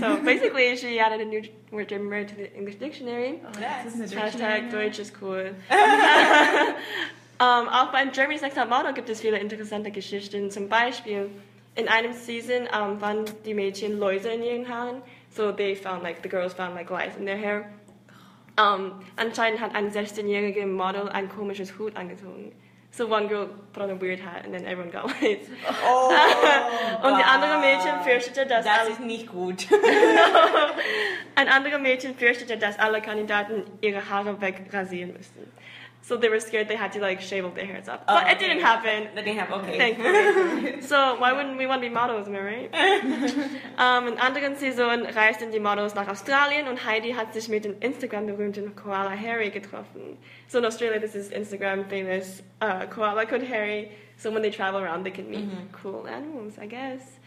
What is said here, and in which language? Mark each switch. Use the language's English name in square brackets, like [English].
[English] So, basically, she added a new word to the English dictionary. Oh, that's [German] hashtag Deutsch ist cool. auch beim Germany's Next Top Model gibt es viele interessante Geschichten. Zum Beispiel, in einem Season waren die Mädchen Läuse in ihren Haaren. [English] So, they found, like, the girls found, like, lice in their hair. [German] Anscheinend hat ein 16-jähriger Model ein komisches Hut angezogen. [English] So one girl put on a weird hat and then everyone got lice. Oh, [German] und die andere Mädchen fürchtete, dass... Das ist nicht gut. Ein anderes Mädchen fürchtete, dass alle Kandidaten ihre Haare wegrasieren müssten. [English] So they were scared they had to like shave all their hairs up. But it didn't happen. That didn't happen, okay. Thank you. So why wouldn't we want to be models, am I right? [German] in anderen Saison reisten die Models nach Australien und Heidi hat sich mit dem Instagram-berühmten Koala Harry getroffen. [English] So in Australia, this is Instagram-famous Koala called Harry. So when they travel around, they can meet cool animals, I guess.